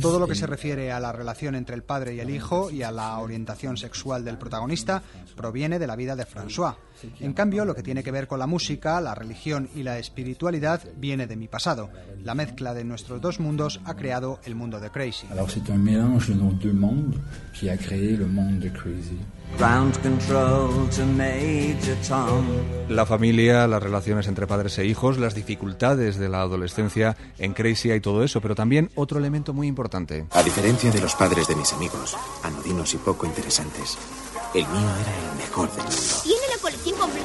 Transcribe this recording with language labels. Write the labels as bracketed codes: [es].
[es] Todo lo que se refiere a la relación entre el padre y el hijo y a la orientación sexual del protagonista proviene de la vida de François. En cambio, lo que tiene que ver con la música, la religión y la espiritualidad viene de mi pasado. La mezcla de nuestros dos mundos ha creado el mundo de Crazy. [fr] Alors c'est un mélange de nos deux mondes qui a créé le monde de Crazy. [en] Ground control to Major Tom. [es] La familia, las relaciones entre padres e hijos, las dificultades de la adolescencia, en Crazy hay todo eso, pero también otro elemento muy importante. A diferencia de los padres de mis amigos, anodinos y poco interesantes, el mío era el mejor del mundo.